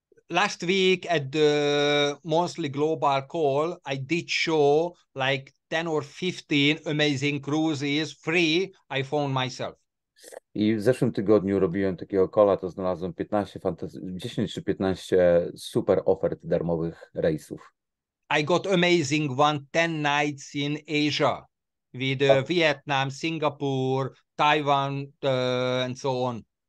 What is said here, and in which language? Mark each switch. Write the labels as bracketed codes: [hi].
[en] Last week at the monthly global call, I did show like 10 or 15 amazing cruises free I found myself. [pl] I w zeszłym tygodniu robiłem takiego kola, to znalazłem 10 czy 15 super ofert darmowych rejsów. [en] I got amazing one, 10 nights in Asia, with Vietnam, Singapore, Taiwan and so on.